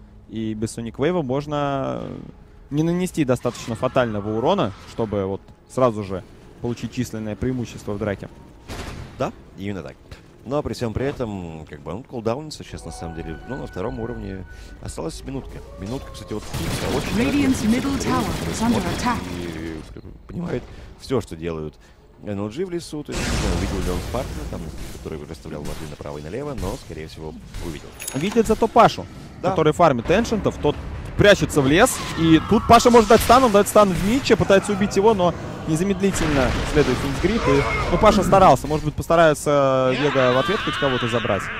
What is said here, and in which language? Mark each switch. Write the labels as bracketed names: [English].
[Russian] И без Sonic Wave можно не нанести достаточно фатального урона, чтобы вот сразу же получить численное преимущество в драке. Да, именно так. Но при всем при этом, как бы, он кулдаунится сейчас, на самом деле, но на втором уровне осталась минутка. Минутка, кстати, вот пицца очень... [English] Radiant's middle tower is under attack. [Russian] И понимает все, что делают NLG в лесу, то есть, не знаю, увидел ли он Спартана, там, который расставлял воды направо и налево, но, скорее всего, увидел. Видит зато Пашу, да, который фармит эншентов, тот прячется в лес, и тут Паша может дать стан, он дает стан в Митче, пытается убить его, но незамедлительно следует финсгрип, и, ну, Паша старался, может быть, постарается Вега в ответ хоть кого-то забрать.